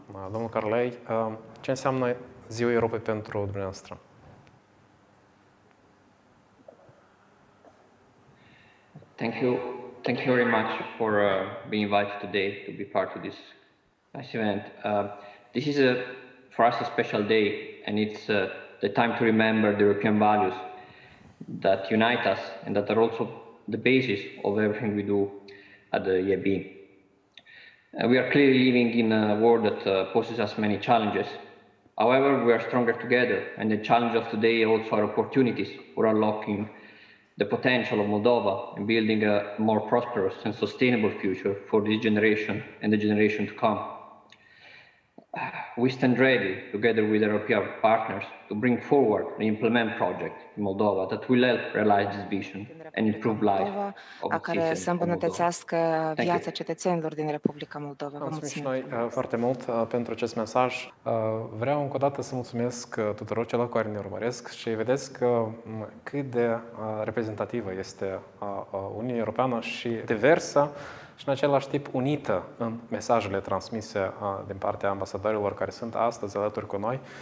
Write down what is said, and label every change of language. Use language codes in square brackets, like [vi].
[ro] Domnul Carlei, ce înseamnă Ziua Europei pentru dumneavoastră? [en] Thank you very much for being invited today to be part of this nice event. This is for us a special day, and it's the time to remember the European values that unite us and that are also the basis of everything we do at the EIB. We are clearly living in a world that poses us many challenges. However, we are stronger together, and the challenge of today also are opportunities for unlocking the potential of Moldova and building a more prosperous and sustainable future for this generation and the generation to come. We stand ready, together with European partners, to bring forward the Implement project in Moldova that will help realize this vision and improve life of Moldova, [ro] care să îmbunătățească viața cetățenilor din Republica Moldova. Vă mulțumesc noi foarte mult pentru acest mesaj. Vreau încă o dată să mulțumesc tuturor celor care ne urmăresc și vedeți că cât de reprezentativă este Uniunea Europeană și diversă și în același timp unită în mesajele transmise din partea ambasadorilor care sunt astăzi alături cu noi.